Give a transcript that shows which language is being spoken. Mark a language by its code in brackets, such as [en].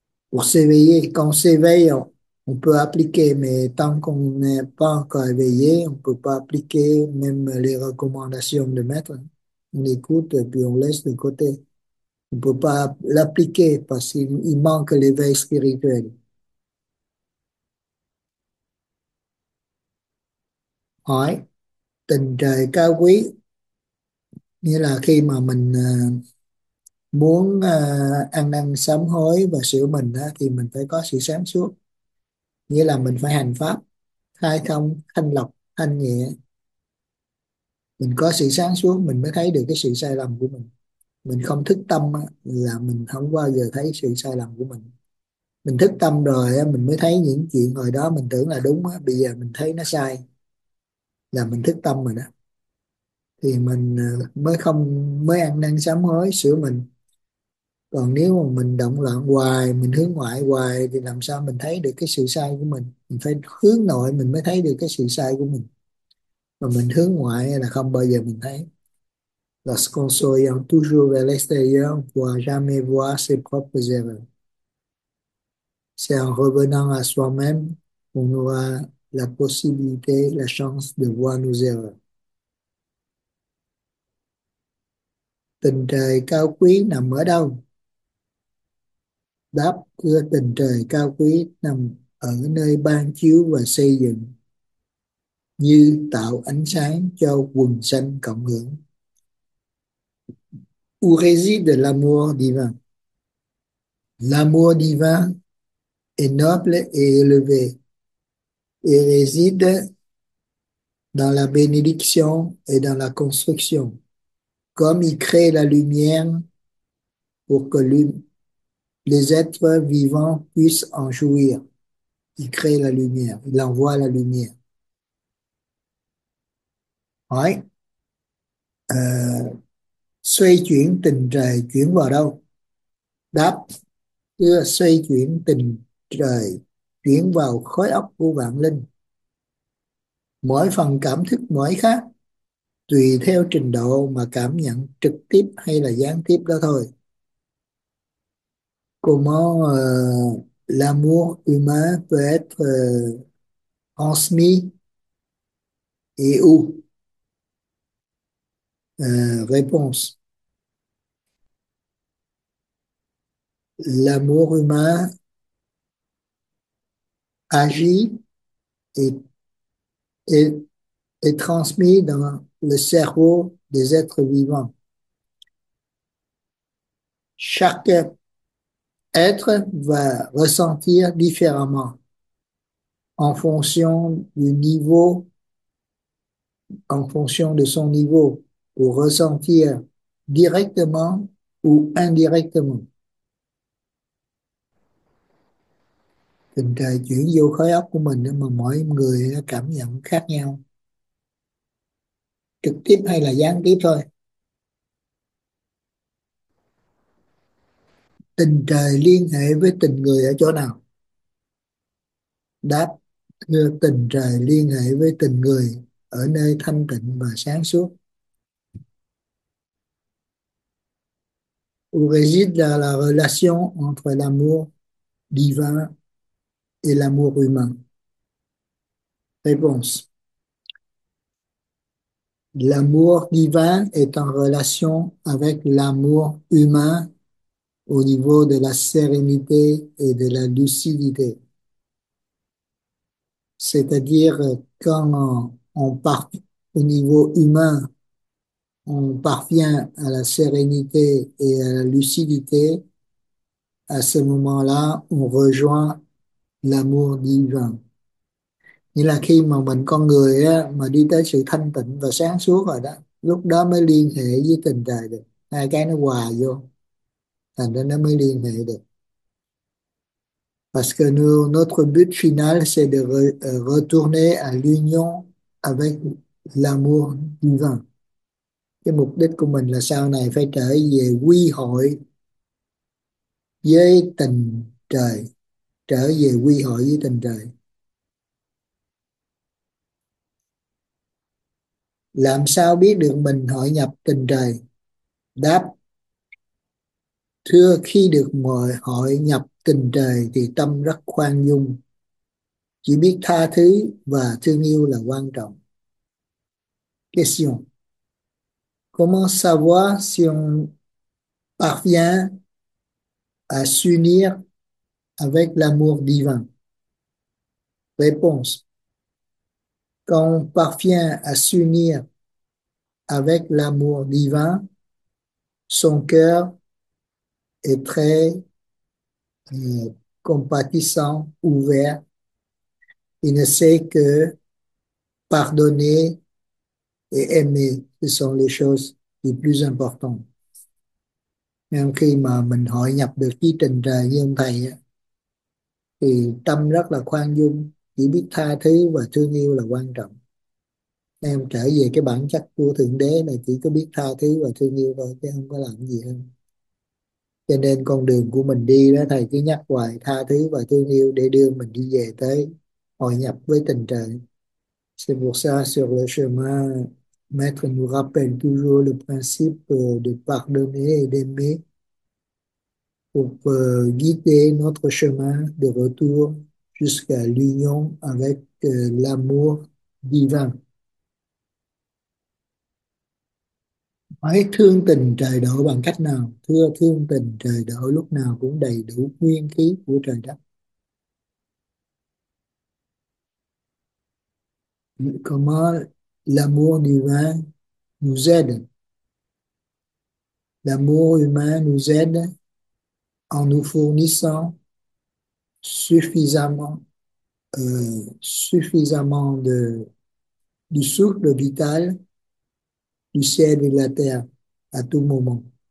[fr] Pour s'éveiller, quand on s'éveille, on peut appliquer, mais tant qu'on n'est pas encore éveillé, on ne peut pas appliquer même les recommandations de maître. On écoute et puis on laisse de côté. On ne peut pas l'appliquer parce qu'il manque l'éveil spirituel. [vi] Hỏi, tình trời cao quý, nghĩa là khi mà mình muốn ăn năn sám hối và sửa mình thì mình phải có sự sáng suốt. Nghĩa là mình phải hành pháp, khai thông, thanh lọc, thanh nhẹ. Mình có sự sáng suốt, mình mới thấy được cái sự sai lầm của mình. Mình không thức tâm là mình không bao giờ thấy sự sai lầm của mình. Mình thức tâm rồi mình mới thấy những chuyện hồi đó mình tưởng là đúng, bây giờ mình thấy nó sai. Là mình thức tâm rồi đó. Thì mình mới không, mới ăn năn sám hối, sửa mình. Còn nếu mà mình động loạn hoài, mình hướng ngoại hoài thì làm sao mình thấy được cái sự sai của mình? Mình phải hướng nội mình mới thấy được cái sự sai của mình. Mà mình hướng ngoại là không bao giờ mình thấy. [fr] Lorsqu'on s'oriente toujours vers l'extérieur, on ne pourra jamais voir ses propres erreurs. C'est en revenant à soi-même qu'on aura la possibilité, la chance de voir nos erreurs. [vi] Tình trời cao quý nằm ở đâu? Đáp, thưa, tình trời cao quý nằm ở nơi ban chiếu và xây dựng như tạo ánh sáng cho quần sanh cộng hưởng. [fr] Où réside l'amour divin? L'amour divin est noble et élevé. Il réside dans la bénédiction et dans la construction. Comme il crée la lumière pour que les êtres vivants puissent en jouir. Il crée la lumière, il envoie la lumière. Ouais. [vi] Xoay chuyển tình trời chuyển vào đâu? Đáp, đưa xoay chuyển tình trời chuyển vào khối óc của vạn linh. Mỗi phần cảm thức mỗi khác, tùy theo trình độ mà cảm nhận trực tiếp hay là gián tiếp đó thôi. [fr] Comment l'amour humain peut être transmis et où? Réponse. L'amour humain agit et transmis dans le cerveau des êtres vivants. Chaque être va ressentir différemment en fonction de son niveau, pour ressentir directement ou indirectement. [vi] Tình trời chuyển vô khối óc của mình mà mỗi người cảm nhận khác nhau, trực tiếp hay là gián tiếp thôi. Tình trời liên hệ với tình người ở chỗ nào? Đáp, tình trời liên hệ với tình người ở nơi thanh tịnh và sáng suốt. [fr] Où réside la relation entre l'amour divin et l'amour humain? Réponse. L'amour divin est en relation avec l'amour humain au niveau de la sérénité et de la lucidité. C'est-à-dire quand au niveau humain, on parvient à la sérénité et à la lucidité, à ce moment-là, on rejoint l'amour divin. [vi] Nghĩa là khi mà mình con người á, mà đi tới sự thanh tịnh và sáng suốt rồi đó, lúc đó mới liên hệ với tình trời được. Hai cái nó hòa vô, thành ra nó mới liên hệ được. [fr] Parce que nous, notre but final, c'est de retourner à l'union avec l'amour divin. [vi] Cái mục đích của mình là sau này phải trở về quy hội với tình trời, trở về quy hội với tình trời. Làm sao biết được mình hội nhập tình trời? Đáp: thưa, khi được mời hội nhập tình trời thì tâm rất khoan dung, chỉ biết tha thứ và thương yêu là quan trọng. [fr] Question: comment savoir si on parvient à s'unir avec l'amour divin? Réponse: quand on parvient à s'unir avec l'amour divin, son cœur est très compatissant, ouvert. Il ne sait que pardonner et aimer. Ce sont les choses les plus importantes. [vi] Nên khi mà mình hội nhập được với tình trời như ông thầy á, thì tâm rất là khoan dung, chỉ biết tha thứ và thương yêu là quan trọng. Em trở về cái bản chất của Thượng Đế này, chỉ có biết tha thứ và thương yêu thôi, chứ không có làm gì hơn. Cho nên con đường của mình đi đó, thầy cứ nhắc hoài, tha thứ và thương yêu để đưa mình đi về tới hội nhập với tình trời. [fr] C'est pour ça, sur le chemin, Maître nous rappelle toujours le principe de pardonner et d'aimer pour guider notre chemin de retour jusqu'à l'union avec l'amour divin. [vi] Hãy thương tình trời độ bằng cách nào? Thưa, thương tình trời độ lúc nào cũng đầy đủ nguyên khí của trời đất. [fr] Comment l'amour divin nous aide? L'amour humain nous aide en nous fournissant suffisamment du souffle vital du ciel et de la terre à tout moment.